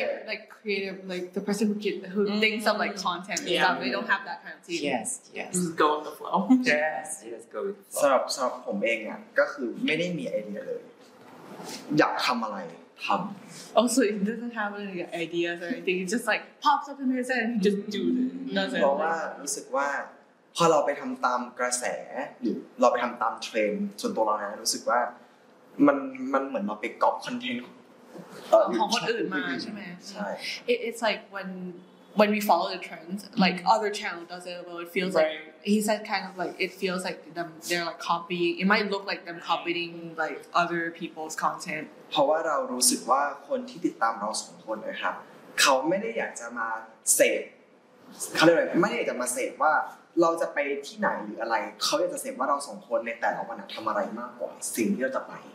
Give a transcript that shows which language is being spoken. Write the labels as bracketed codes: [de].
[en] Content creator, the person who thinks of like content and stuff. We don't have that kind of team. Yes. Just go with the flow. Yes, go with the flow. [th] สำหรับผมเองอ่ะก็คือไม่ได้มีไอเดียเลยอยากทำอะไรทำ [en] Also, it doesn't have any ideas or anything. It just like pops up in his head and he just do it. [th] เพราะว่ารู้สึกว่าพอเราไปทำตามกระแสหรือเราไปทำตามเทรนด์ส่วนตัวเรานะรู้สึกว่ามันเหมือนมาไปก๊อปคอนเทนต์ของคนอื่นมาใช่มั้ย ใช่ [en] it's like when we follow the trends like other channel does it well it feels right. like he said kind of like it feels like they're like copying it might look like them copying like other people's content [th] เพราะว่าเรารู้สึกว่าคนที่ติดตามเรา2คนนะครับเขาไม่ได้อยากจะมาเสพเขาเรียกอะไรไม่ได้อยากจะมาเสพว่าเราจะไปที่ไหนหรืออะไรเขาอยากจะเสพว่าเรา2คนในแต่ละวันทําอะไรมากกว่าสิ่งที่เราจะไป